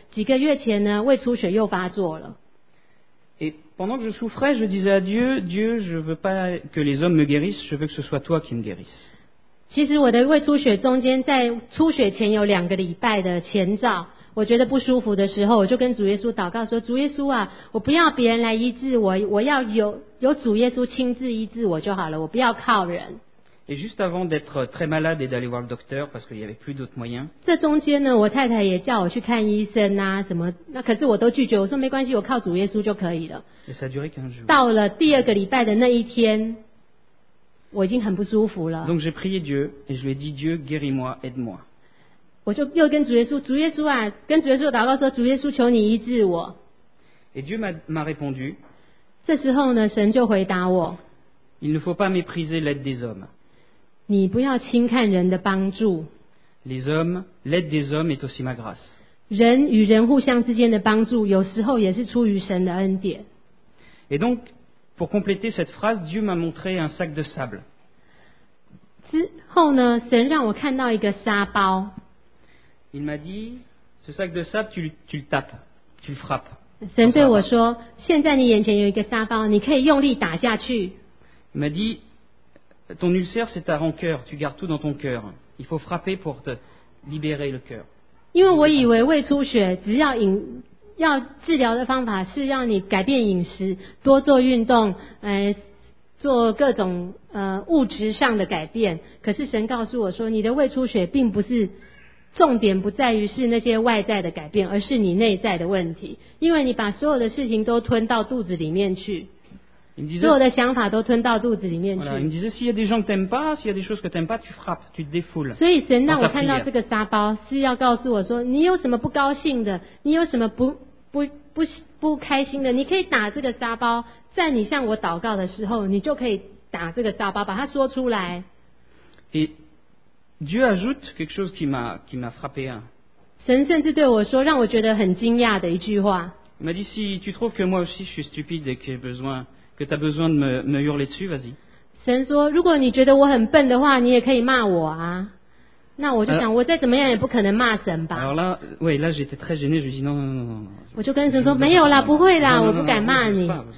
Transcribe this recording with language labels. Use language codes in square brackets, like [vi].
[zh] 几个月前呢，胃出血又发作了。 [fr] Et pendant que je souffrais, je disais à Dieu, Dieu, je veux pas que les hommes me guérissent, je veux que ce soit toi qui me guérisse. [zh] 其实我的胃出血中间，在出血前有两个礼拜的前兆。我觉得不舒服的时候，我就跟主耶稣祷告说：“主耶稣啊，我不要别人来医治我，我要有主耶稣亲自医治我就好了，我不要靠人。” [fr] Et juste avant d'être très malade et d'aller voir le docteur parce qu'il y avait plus d'autres moyens. [zh] 这中间呢，我太太也叫我去看医生啊，什么那可是我都拒绝，我说没关系，我靠主耶稣就可以了。 [fr] Et ça a duré 15 jours. [zh] 到了第二个礼拜的那一天，我已经很不舒服了。 [fr] Donc j'ai prié Dieu et je lui ai dit Dieu guéris-moi, aide-moi. [zh] 我就又跟主耶稣，主耶稣啊，跟主耶稣祷告说，主耶稣，求你医治我。 [fr] Et Dieu m'a répondu. [zh] 这时候呢，神就回答我。 [fr] Il ne faut pas mépriser l'aide des hommes. [zh] 你不要轻看人的帮助。 [fr] Les hommes, l'aide des hommes est aussi ma grâce. [zh] 人与人互相之间的帮助，有时候也是出于神的恩典。 [fr] Et donc, pour compléter cette phrase, Dieu m'a montré un sac de sable. [zh] 之后呢，神让我看到一个沙包。 [fr] Il m'a dit, ce sac de sable, tu le tapes, tu le frappes. [zh] 神对我说，现在你眼前有一个沙包，你可以用力打下去。 [fr] Il m'a dit, ton ulcère, c'est ta rancœur, tu gardes tout dans ton cœur. Il faut frapper pour te libérer le cœur. [zh] 因为我以为胃出血只要要治疗的方法是让你改变饮食，多做运动，做各种物质上的改变。可是神告诉我说，你的胃出血并不是。重点不在于是那些外在的改变，而是你内在的问题。因为你把所有的事情都吞到肚子里面去，所有的想法都吞到肚子里面去。 [fr] Il me disait, s'il y a des gens que t'aimes pas, s'il y a des choses que t'aimes pas, tu frappes, tu te défoules. [zh] 所以神让我看到这个沙包，是要告诉我说，你有什么不高兴的，你有什么不开心的，你可以打这个沙包，在你向我祷告的时候，你就可以打这个沙包，把它说出来。 [fr] Dieu ajoute quelque chose qui m'a frappé. [zh] 神甚至对我说，让我觉得很惊讶的一句话。 [fr] Il m'a dit si tu trouves que moi aussi je suis stupide et que t'as besoin de me hurler dessus, vas-y. [zh] 神说，如果你觉得我很笨的话，你也可以骂我啊。那我就想，我再怎么样也不可能骂神吧。 [fr] Alors là, oui, là j'étais très gêné, je dis non. [zh] 我就跟神说，没有啦，不会啦，我不敢骂你。